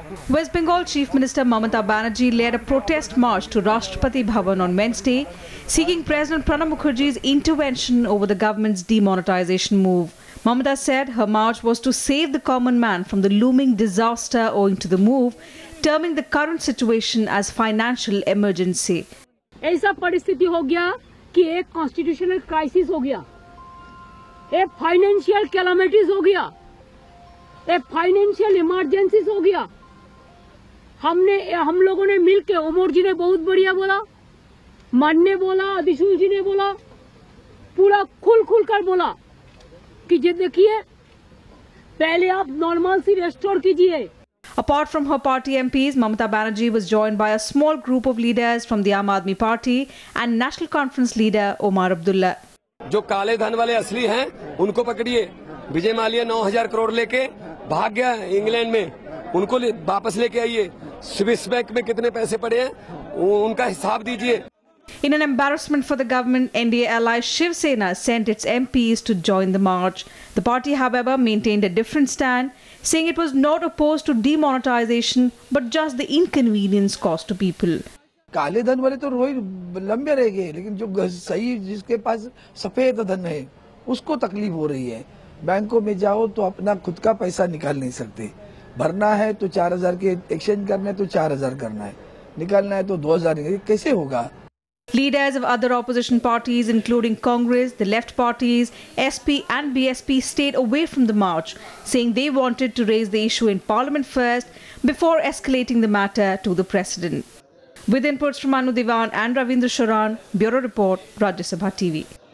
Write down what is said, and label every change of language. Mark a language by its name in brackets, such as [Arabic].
[English] West Bengal Chief Minister Mamata Banerjee led a protest march to Rashtrapati Bhavan on Wednesday, seeking President Pranab Mukherjee's intervention over the government's demonetization move. Mamata said her march was to save the common man from the looming disaster owing to the move, terming the current situation as financial emergency. [Hindi] ऐसा परिस्थिति हो गया कि एक constitutional crisis हो गया, एक financial calamities हो गया, एक फाइनेंशियल इमरजेंसी हो गया। हमने हम लोगों ने मिलके, ओमर जी ने बहुत बढ़िया बोला, मान ने बोला, अधिशूल जी ने बोला, पूरा खुल खुल कर बोला कि ये देखिए पहले आप [English] normalcy restore [Hindi] कीजिए। [English] Apart from her party MPs, Mamata Banerjee was joined by a small group of leaders from the Aam Aadmi Party and National Conference leader Omar Abdullah. [Hindi] जो काले धन वाले असली हैं, उनको पकड़िए। विजय माल्या 9000 करोड़ लेके भाग गया इंग्लैंड में, उनको वापस लेके आइए। स्विस बैंक में कितने पैसे पड़े हैं, उनका हिसाब दीजिए। [English] In an embarrassment for the government, NDA ally Shiv Sena sent its MPs to join the march. The party, however, maintained a different stand, saying it was not opposed to demonetization, but just the inconvenience caused to people. [Hindi] काले धन वाले तो रोज लंबे रहेंगे, लेकिन जो सही जिसके पास सफेद धन है उसको तकलीफ हो रही है। बैंकों में जाओ तो अपना खुद का पैसा निकाल नहीं सकते, भरना है तो 4000 के एक्सचेंज करना है तो 4000 करना है, निकालना है तो 2000, कैसे होगा। [English] Leaders of other opposition parties, including Congress, the left parties, SP and BSP, stayed away from the march, saying they wanted to raise the issue in Parliament first before escalating the matter to the President. With inputs from Anu Divan and Ravindra Sharan, Bureau Report, Rajya Sabha TV.